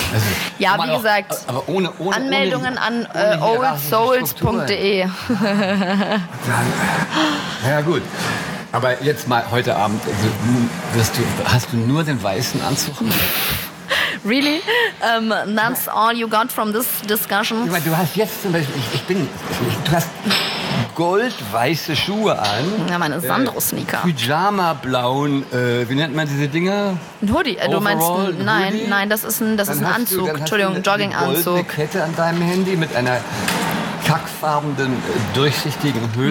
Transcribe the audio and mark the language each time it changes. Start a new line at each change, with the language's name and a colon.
German: Also, ja, wie gesagt, aber ohne Anmeldungen ohne oldsouls.de. Ja, gut. Aber jetzt mal heute Abend, also, hast du nur den weißen Anzug?
English: Really? That's all you got from this discussion?
German: Ich meine, du hast jetzt zum Beispiel, du hast goldweiße Schuhe an. Ja, meine Sandro-Sneaker. Pyjama-blauen, wie nennt man diese Dinge? Ein Hoodie. Overall, du meinst, nein, das ist ein Anzug. Entschuldigung, Jogginganzug. Eine goldene Kette an deinem Handy mit einer kackfarbenen, durchsichtigen Hülle.